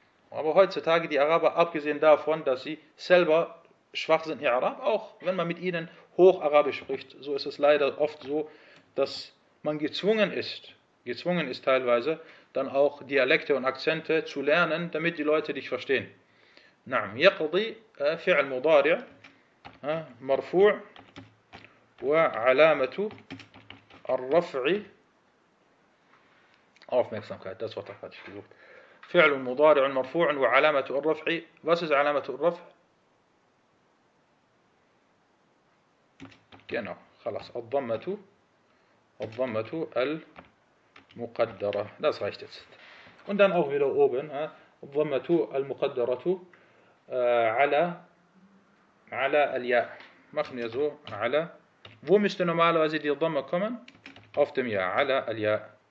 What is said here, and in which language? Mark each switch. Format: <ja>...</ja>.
<de>Aber heutzutage die Araber, abgesehen davon, dass sie selber schwach sind, I'rab, auch wenn man mit ihnen Hocharabisch spricht, so ist es leider oft so, dass man gezwungen ist teilweise, dann auch Dialekte und Akzente zu lernen, damit die Leute dich verstehen.</de> <ar>Na'am, yaqdi, fi'l mudari', marfu' wa alamatu ar-raf'i.</ar> <de>Aufmerksamkeit, das Wort hatte ich gesucht.</de> <ar>فعل مضارع مرفوع وعلامة الرفع.</ar> <de>Was ist علامة الرفع? Genau, خلاص.</de> <ar>الضمة المقدرة.</ar> <de>Das reicht jetzt. Und dann auch wieder oben.</de> <ar>الضمة المقدرة على الياء.</ar> <de>Machen wir so. على. Wo müsste normalerweise die Dhamma kommen? Auf dem</de> <ar>ياء. على الياء.</ar>